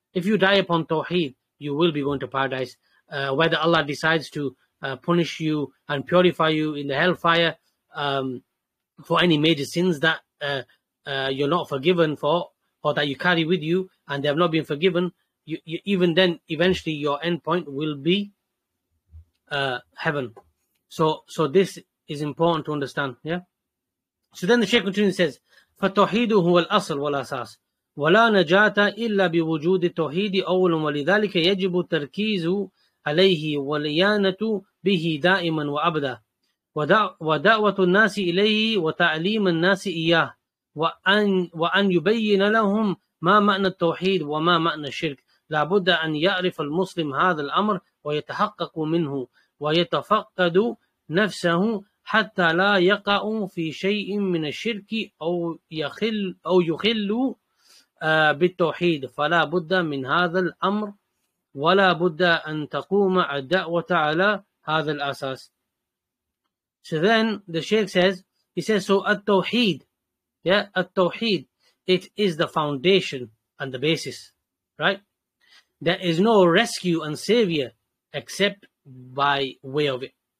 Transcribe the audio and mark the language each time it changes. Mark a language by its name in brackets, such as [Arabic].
[English] If you die upon tawheed, you will be going to paradise. Whether Allah decides to punish you and purify you in the hellfire for any major sins that you're not forgiven for, or that you carry with you and they have not been forgiven, you even then eventually your end point will be heaven. So this is important to understand. Yeah. So then the Shaykh continues, says, [Arabic] فَالتَّوْحِيدُ هُوَ الْأَصْلُ وَالْأَسَاسُ وَلَا نَجَاةَ إِلَّا بِوُجُودِ التَّوْحِيدِ أَوْلًا وَلِذَلِكَ يَجِبُ التَّرْكِيزُ عَلَيْهِ وَالْإِيَانَةُ بِهِ دَائِمًا وَأَبَدًا وَدَعْوَةُ النَّاسِ إِلَيْهِ وَتَعْلِيمُ النَّاسِ إِيَّاهُ وأن يبين لهم ما معنى التوحيد وما معنى الشرك لابد أن يعرف المسلم هذا الأمر ويتحقق منه ويتفقد نفسه حتى لا يقع في شيء من الشرك أو يخل أو يخل بالتوحيد، فلا بد من هذا الأمر، ولا بد أن تقوم الدعوة على هذا الأساس. [English] So then the Sheikh says, he says, so التوحيد, yeah, التوحيد, it is the foundation and the basis, right? There is no rescue and savior except by way of it.